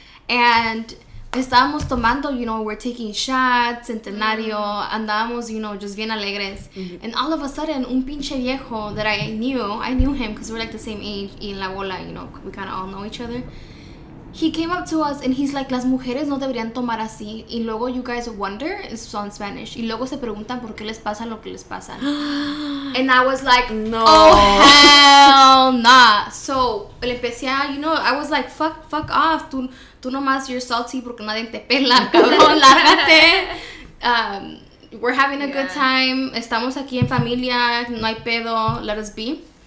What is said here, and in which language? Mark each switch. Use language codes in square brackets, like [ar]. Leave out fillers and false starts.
[en] And [es] estábamos tomando, [en] you know, we're taking shots, centenario, [es] andábamos, [en] you know, just [es] bien alegres. [en] Mm-hmm. And all of a sudden, [es] un pinche viejo [en] that I knew him because we're like the same age, [es] y en la bola, [en] you know, we kind of all know each other. He came up to us and he's like, [es] las mujeres no deberían tomar así. Y luego [en] you guys wonder, it's on Spanish. [es] Y luego se preguntan por qué les pasa lo que les pasa. [en] And I was like, no. Oh, hell nah. So, [es] le empecé a, [en] you know, I was like, fuck off. [es] Tú nomás, [en] you're salty [es] porque nadie te pela, cabrón, lárgate. [en] We're having a good time. [es] Estamos aquí en familia. No hay pedo. [en] Let us be.